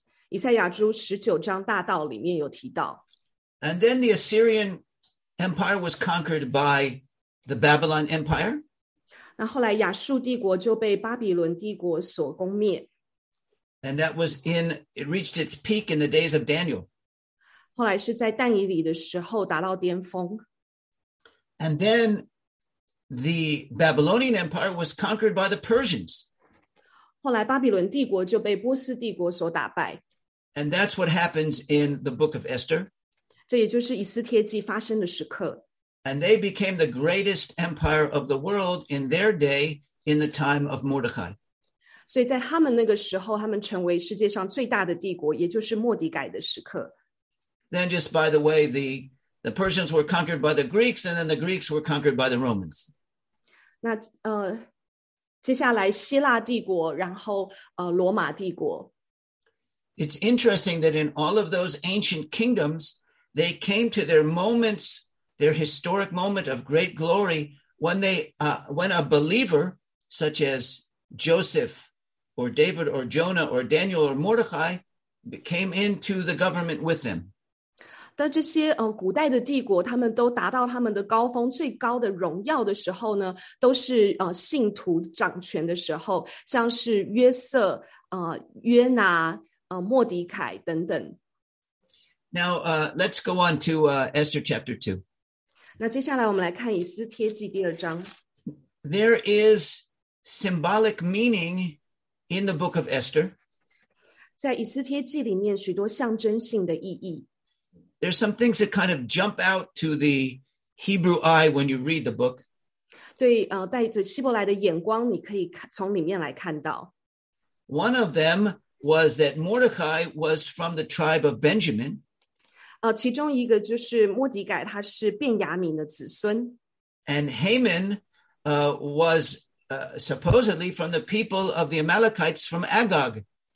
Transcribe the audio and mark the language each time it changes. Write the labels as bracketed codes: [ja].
[zh] 那当然我们看到在以赛亚书19章大道里面有提到。 [en] And then the Assyrian Empire was conquered by the Babylon Empire. [zh] 那后来亚述帝国就被巴比伦帝国所攻灭。 [en] And that was in, it reached its peak in the days of Daniel. [zh] 后来是在但以理的时候达到巅峰。 [en] And then the Babylonian Empire was conquered by the Persians. [zh] 后来巴比伦帝国就被波斯帝国所打败。 [en] And that's what happens in the book of Esther. [zh] 这也就是以斯帖记发生的时刻。 [en] And they became the greatest empire of the world in their day, in the time of Mordecai. [zh] 所以在他们那个时候, 他们成为世界上最大的帝国, 也就是莫迪改的时刻。 [en] Then just by the way, the Persians were conquered by the Greeks, and then the Greeks were conquered by the Romans. [zh] 那, 接下来希腊帝国, 然后, 罗马帝国。 [en] It's interesting that in all of those ancient kingdoms, they came to their moments, their historic moment of great glory, when they when a believer, such as Joseph, or David, or Jonah, or Daniel, or Mordecai, came into the government with them. [zh] 当这些, 古代的帝国, 他们都达到他们的高峰, 最高的荣耀的时候呢, 都是, 信徒掌权的时候, 像是约瑟, 约拿, 莫迪凯等等。 [en] Now, let's go on to Esther chapter 2. [zh] 那接下来我们来看以斯帖记第二章。 [en] There is symbolic meaning in the book of Esther. [zh] 在以斯帖记里面许多象征性的意义。 [en] There's some things that kind of jump out to the Hebrew eye when you read the book. [zh] 对, 带着希伯来的眼光, 你可以从里面来看到。 [en] One of them was that Mordecai was from the tribe of Benjamin. [zh] 其中一个就是莫迪改, 他是便雅悯的子孙。 [en] And Haman was supposedly from the people of the Amalekites from Agag.